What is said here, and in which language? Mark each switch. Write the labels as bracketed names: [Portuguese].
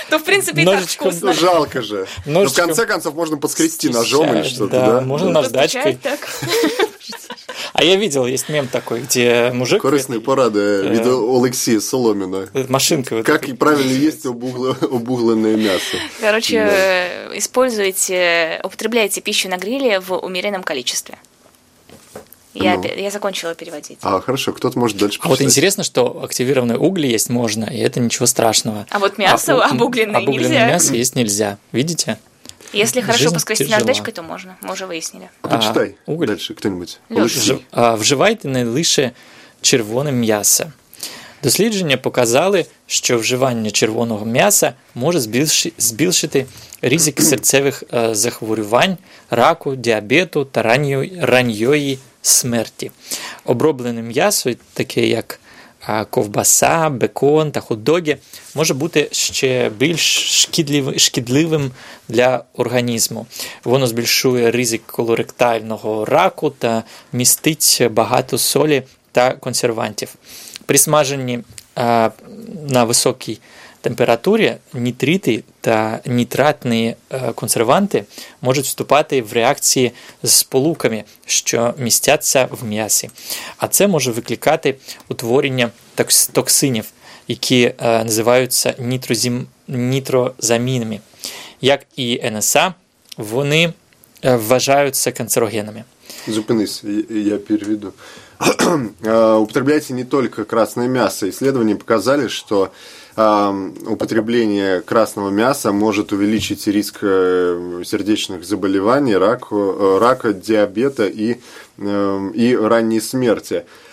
[Russian] То, в принципе, и так вкусно. Жалко же. Но, в конце концов, можно подскрести ножом или что-то, да? Можно наждачкой. А я видел, есть мем такой, где мужик... [Ukrainian] Корисные порады від Олексія Соломіна. [Russian] Машинка. Как вот правильно есть обугленное мясо. Короче, да. Используйте, употребляйте пищу на гриле в умеренном количестве. Я закончила переводить. А, хорошо, кто-то может дальше почитать. А вот интересно, что активированные угли есть можно, и это ничего страшного. А вот мясо обугленное нельзя. Обугленное мясо есть нельзя, видите? Если хорошо поскрести наждачкой, то можно, мы уже выяснили. Почитай дальше кто-нибудь. [Ukrainian] Вживайте найлише червоне м'ясо. Дослідження показали, що вживання червоного м'яса може збільшити ризик серцевих захворювань, раку, діабету та ранньої смерті. Оброблене м'ясо, таке як ковбаса, бекон та хот-доги, може бути ще більш шкідливим для організму. Воно збільшує ризик колоректального раку та містить багато солі та консервантів. При смаженні на високій температурі нітрити та нітратні консерванти можуть вступати в реакції з сполуками, що містяться в м'ясі. А це може викликати утворення токсинів, які називаються нітрозамінами. Як і НСА, вони вважаються канцерогенами. Зупинись, я переведу. [Russian] Употребляйте не только красное мясо. Исследования показали, что употребление красного мяса может увеличить риск сердечных заболеваний, рака, диабета и ранней смерти.